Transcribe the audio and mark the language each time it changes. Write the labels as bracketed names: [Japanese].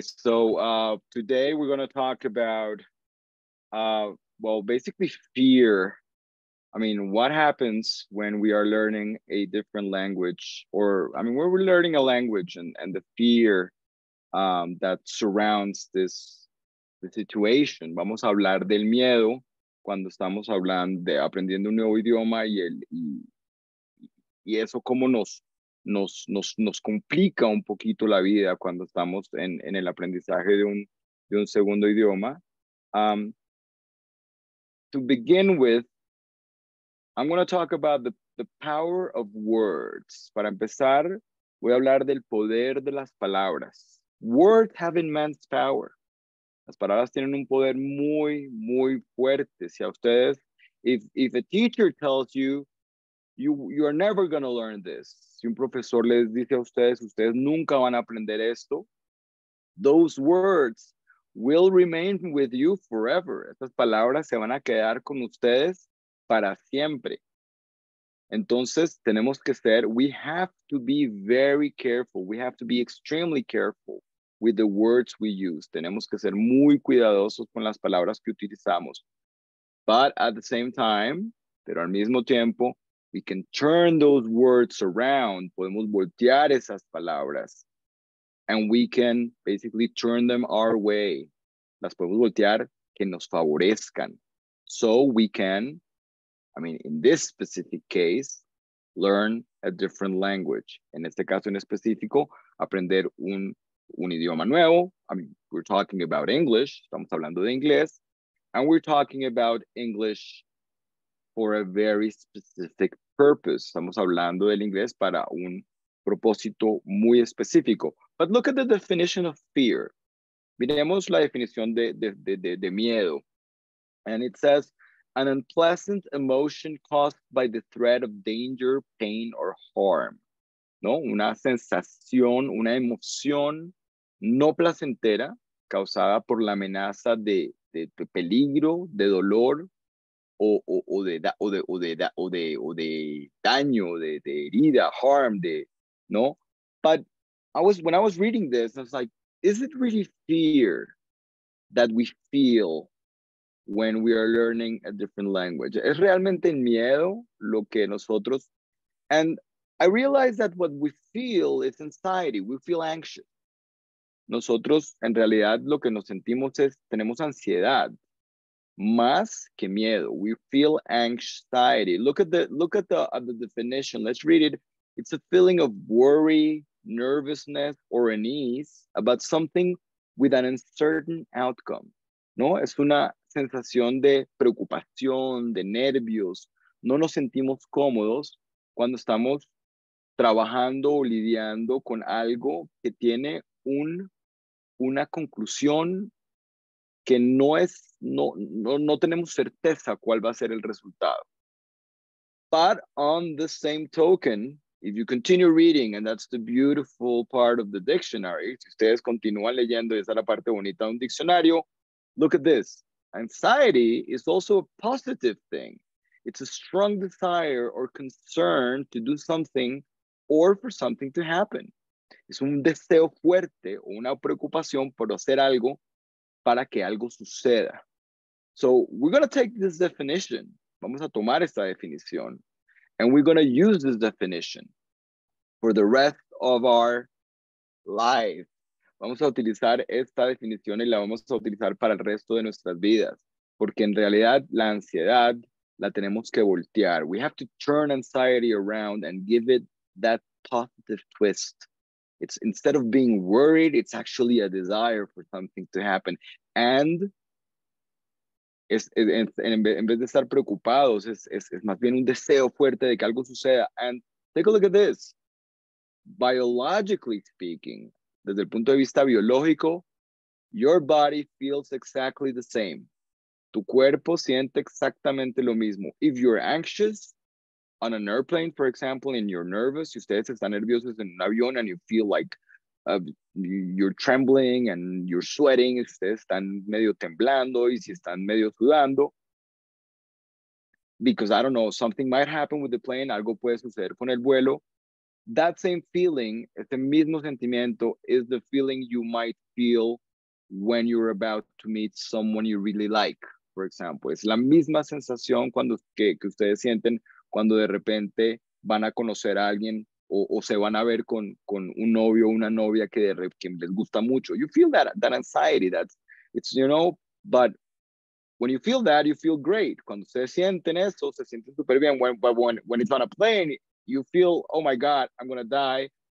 [English] So today we're going to talk about, well, basically fear. I mean, what happens when we are learning a different language, or I mean, when we're learning a language, and the fear that surrounds this the situation. [Spanish] Vamos a hablar del miedo cuando estamos hablando de aprendiendo un nuevo idioma y el y eso cómo nos complica un poquito la vida cuando estamos en el aprendizaje de un segundo idioma. [English] To begin with, I'm going to talk about the power of words. [Spanish] Para empezar, voy a hablar del poder de las palabras. [English] Words have immense power. [Spanish] Las palabras tienen un poder muy, muy fuerte. Si a ustedes, [English] if a teacher tells you, you are never going to learn this. [Spanish] Si un profesor les dice a ustedes, ustedes nunca van a aprender esto. [English] Those words will remain with you forever. [Spanish] Esas palabras se van a quedar con ustedes para siempre. Entonces, tenemos que ser, [English] we have to be very careful. We have to be extremely careful with the words we use. [Spanish] Tenemos que ser muy cuidadosos con las palabras que utilizamos. [English] But at the same time, [Spanish] pero al mismo tiempo, [English] we can turn those words around. [Spanish] Podemos voltear esas palabras. [English] And we can basically turn them our way. [Spanish] Las podemos voltear que nos favorezcan. [English] So we can, I mean, in this specific case, learn a different language. [Spanish] En este caso en específico, aprender un idioma nuevo. [English] I mean, we're talking about English. [Spanish] Estamos hablando de inglés. [English] And we're talking about English for a very specific purpose. [Spanish] Estamos hablando del inglés para un propósito muy específico. [English] But look at the definition of fear. [Spanish] Miremos la definición de miedo. [English] And it says, an unpleasant emotion caused by the threat of danger, pain, or harm. [Spanish] ¿No? Una sensación, una emoción no placentera causada por la amenaza de peligro, de dolor, o de daño, de herida, harm, de, ¿no? [English] But when I was reading this, I was like, is it really fear that we feel when we are learning a different language? [Spanish] ¿Es realmente miedo lo que nosotros? [English] And I realized that what we feel is anxiety. We feel anxious. [Spanish] Nosotros, en realidad, lo que nos sentimos es, tenemos ansiedad. Más que miedo. [English] We feel anxiety. Look at the definition. Let's read it. It's a feeling of worry, nervousness, or unease about something with an uncertain outcome. [Spanish] No, es una sensación de preocupación, de nervios. No nos sentimos cómodos cuando estamos trabajando o lidiando con algo que tiene una conclusión que no es, no tenemos certeza cuál va a ser el resultado. [English] But on the same token, if you continue reading, and that's the beautiful part of the dictionary, [Spanish] si ustedes continúan leyendo, esa es la parte bonita de un diccionario, [English] look at this. Anxiety is also a positive thing. It's a strong desire or concern to do something or for something to happen. [Spanish] Es un deseo fuerte o una preocupación por hacer algo para que algo suceda. [English] So we're going to take this definition. [Spanish] Vamos a tomar esta definición. [English] And we're going to use this definition for the rest of our life. [Spanish] Vamos a utilizar esta definición y la vamos a utilizar para el resto de nuestras vidas. Porque en realidad la ansiedad la tenemos que voltear. [English] We have to turn anxiety around and give it that positive twist. It's instead of being worried, it's actually a desire for something to happen. [Spanish] And en vez de estar preocupados, es más bien un deseo fuerte de que algo suceda. [English] And take a look at this. Biologically speaking, [Spanish] desde el punto de vista biológico, [English] your body feels exactly the same. [Spanish] Tu cuerpo siente exactamente lo mismo. [English] If you're anxious on an airplane, for example, and you're nervous, [Spanish] si ustedes están nerviosos en un avión [English] and you feel like you're trembling and you're sweating, [Spanish] si ustedes están medio temblando y si están medio sudando, [English] because I don't know, something might happen with the plane, [Spanish] algo puede suceder con el vuelo. [English] That same feeling, [Spanish] ese mismo sentimiento, [English] is the feeling you might feel when you're about to meet someone you really like, for example. [Spanish] Es la misma sensación que ustedes sienten cuando de repente van a conocer a alguien o se van a ver con un novio o una novia que les gusta mucho. [English] You feel that anxiety. But when you feel that, you feel great. [Spanish] Cuando ustedes sienten eso, se sienten súper bien. [English] When it's on a plane, you feel, oh my God, I'm going to die.